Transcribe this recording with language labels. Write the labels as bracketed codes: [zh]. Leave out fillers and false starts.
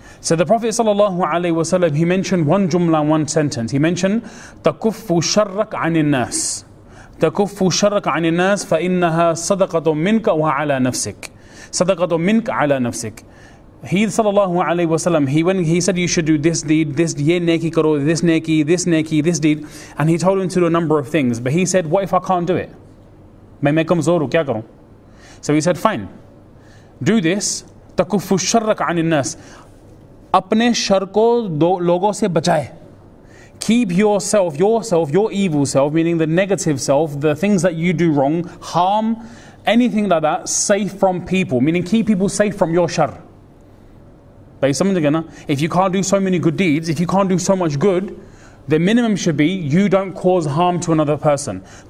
[en] So the Prophet sallallahu alayhi wa sallam, he mentioned one jumla, one sentence. He mentioned, [ar] تَكُفُّ شَرَّكْ عَنِ النَّاسِ تَكُفُّ شَرَّكْ عَنِ النَّاسِ فَإِنَّهَا صَدَقَةٌ مِنْكَ وَعَلَى نَفْسِكَ صَدَقَةٌ مِنْكَ عَلَى نَفْسِكَ. [en] He sallallahu alayhi wa sallam, he said, you should do this deed, this [hi] ये नेकी करो, [en] this नेकी, this deed. And he told him to do a number of things. But he said, what if I can't do it? [hi] मैं मै कमज़ोर हूँ, क्या करूँ? [en] So he said, fine, do this, [ar] تَكُفُّ شَرَّكْ عَنِ النَّاسِ, [hi] अपने शर को लोगों से बचाए. [en] Keep yourself, your evil self, meaning the negative self, the things that you do wrong, harm, anything like that, safe from people, meaning keep people safe from your shar. If you can't do so many good deeds, if you can't do so much good, the minimum should be you don't cause harm to another person.